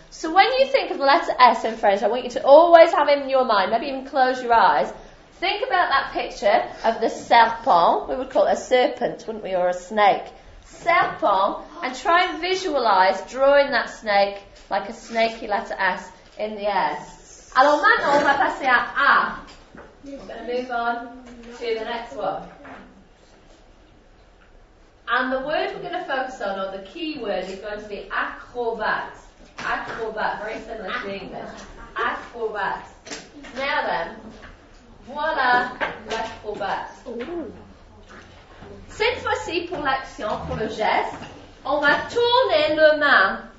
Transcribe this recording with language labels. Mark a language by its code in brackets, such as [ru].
[en] So when you think of the letter S in French, I want you to always have in your mind, maybe even close your eyes, think about that picture of the serpent. We would call it a serpent, wouldn't we, or a snake. Serpent, and try and visualise drawing that snake like a snaky letter S in the air. [fr] Alors maintenant, on va passer à A. [en] I'm going to move on to the next one. And the word we're going to focus on, or the key word, is going to be acrobat. Acrobat, very similar to English. Acrobat. Now then, [fr] voilà l'acrobat. Cette fois-ci pour l'action, pour le geste, on va tourner le main.